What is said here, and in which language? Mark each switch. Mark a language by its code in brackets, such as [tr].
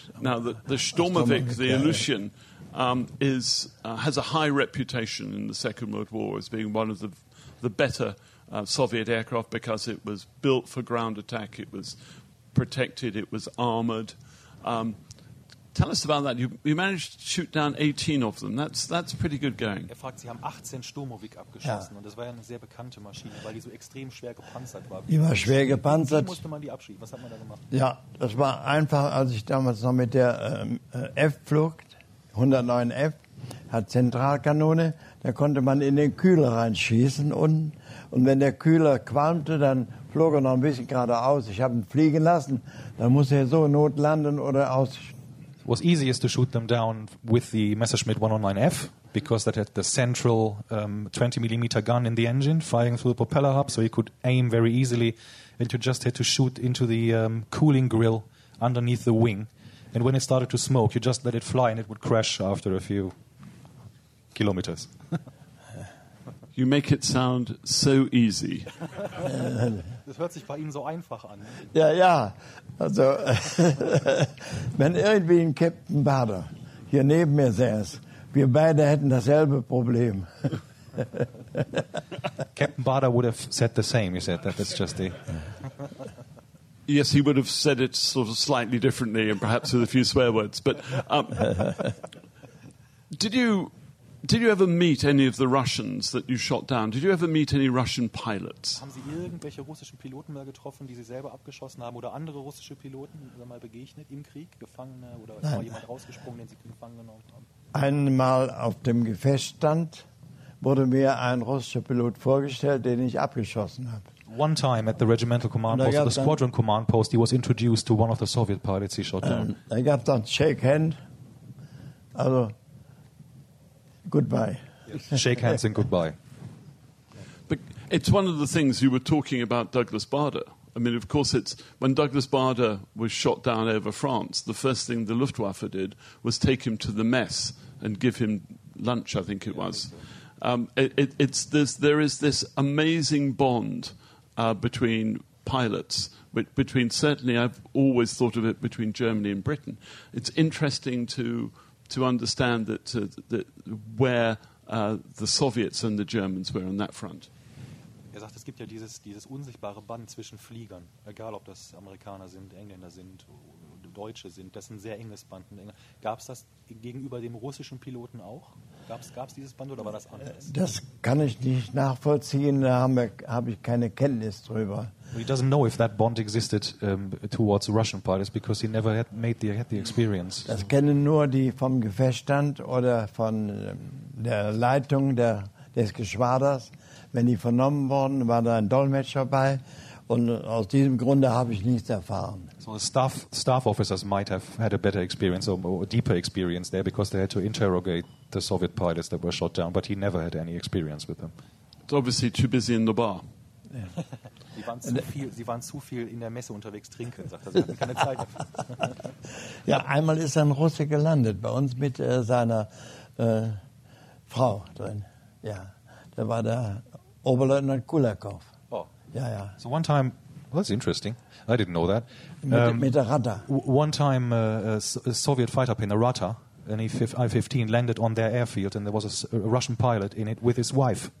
[en] Now, the Stormovik, the Aleutian, has a high reputation in the Second World War as being one of the better Soviet aircraft because it was built for ground attack, it was protected, it was armoured. Tell us about that. You managed to shoot down 18 of them. That's pretty good going. [de] Er fragt, Sie haben 18 Sturmovik abgeschossen. Ja. Und das war ja eine sehr bekannte Maschine, weil die so extrem schwer gepanzert war. Die war schwer gepanzert. Wie musste man die abschießen? Was hat man da gemacht? Ja, das war einfach, als ich damals noch mit der F-Flug, 109F, hat Zentralkanone, da konnte man in den Kühler reinschießen. Und wenn der Kühler qualmte, dann flog er noch ein bisschen geradeaus. Ich habe ihn fliegen lassen. Dann musste er so notlanden oder aus. [en] Was easiest to shoot them down with the Messerschmitt 109F because that had the central 20mm gun in the engine firing through the propeller hub, so you could aim very easily. And you just had to shoot into the cooling grill underneath the wing. And when it started to smoke, you just let it fly and it would crash after a few kilometers. You make it sound so easy. [de] Das hört sich bei Ihnen so einfach an. Ja. Also, wenn irgendwie ein Captain Bader hier neben mir säß, wir beide hätten dasselbe Problem. [en] Captain Bader would have said the same, you said, that it's just the... Yes, he would have said it sort of slightly differently and perhaps with a few swear words. But did you ever meet any of the Russians that you shot down? Did you ever meet any Russian pilots? [de] Haben Sie irgendwelche russischen Piloten mal getroffen, die Sie selber abgeschossen haben, oder andere russische Piloten mal begegnet im Krieg, Gefangene oder ist mal jemand rausgesprungen, den Sie gefangen genommen haben? Einmal auf dem Gefechtsstand wurde mir ein russischer Pilot vorgestellt, den ich abgeschossen habe. [en] One time at the regimental command post, the squadron command post, he was introduced to one of the Soviet pilots he shot down. I got to shake hand. Also goodbye. Yes. Shake hands and goodbye. But it's one of the things you were talking about, Douglas Bader. I mean, of course, it's when Douglas Bader was shot down over France, the first thing the Luftwaffe did was take him to the mess and give him lunch, I think it was. There is this amazing bond between pilots, between certainly I've always thought of it between Germany and Britain. It's interesting to understand that where the Soviets and the Germans were on that front. [de] Er sagt, es gibt ja dieses unsichtbare Band zwischen Fliegern, egal ob das Amerikaner sind, Engländer sind, Deutsche sind, das ist ein sehr enges Band. Gab es das gegenüber dem russischen Piloten auch? Gab es dieses Band oder war das anders? Das kann ich nicht nachvollziehen, da habe ich keine Kenntnis drüber. [en] He doesn't know if that bond existed towards the Russian pilots because he never had made the experience. [de] Das kennen nur die vom Gefechtsstand oder von der Leitung des Geschwaders. Wenn die vernommen wurden, war da ein Dolmetscher bei. Und aus diesem Grunde habe ich nichts erfahren. [en] So the staff officers might have had a better experience or a deeper experience there because they had to interrogate the Soviet pilots that were shot down, but he never had any experience with them. It's obviously too busy in the bar. Yeah. [de] Sie waren zu viel in der Messe unterwegs trinken, sagt er. Sie hatten keine Zeit dafür. Ja, einmal ist ein Russe gelandet bei uns mit seiner Frau drin. Ja, da war der Oberleutnant Kulakov. [en] Yeah. So one time, well, that's interesting. I didn't know that. [de] Mit der Rata. [en] One time, a Soviet fighter plane, a Rata, an I-15, landed on their airfield, and there was a Russian pilot in it with his wife.